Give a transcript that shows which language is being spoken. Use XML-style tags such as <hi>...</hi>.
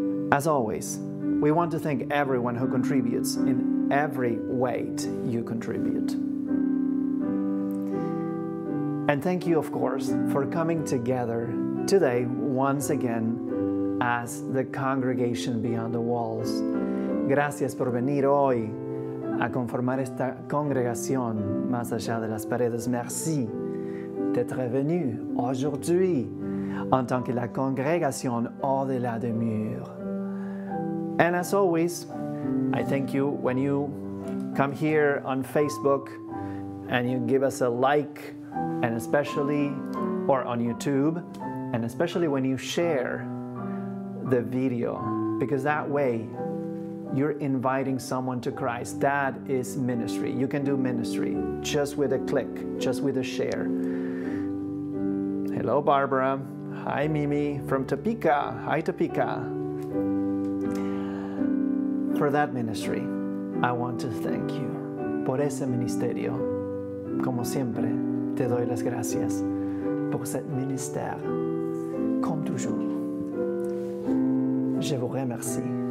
<en>As always, we want to thank everyone who contributes in every way you contribute. And thank you, of course, for coming together today once again as the congregation beyond the walls.</en> <es>Gracias por venir hoy a conformar esta congregación más allá de las paredes.</es> <fr>Merci d'être venu aujourd'hui en tant que la congrégation au-delà des murs.</fr> <en>And as always, I thank you when you come here on Facebook and you give us a like, and especially, or on YouTube, and especially when you share the video, because that way you're inviting someone to Christ. That is ministry. You can do ministry just with a click, just with a share. Hello, Barbara. Hi, Mimi from Topeka. Hi, Topeka. For that ministry, I want to thank you.</en> <es>Por ese ministerio, como siempre, te doy las gracias.</es> <fr>Por cette ministère, comme toujours, je vous remercie.</fr>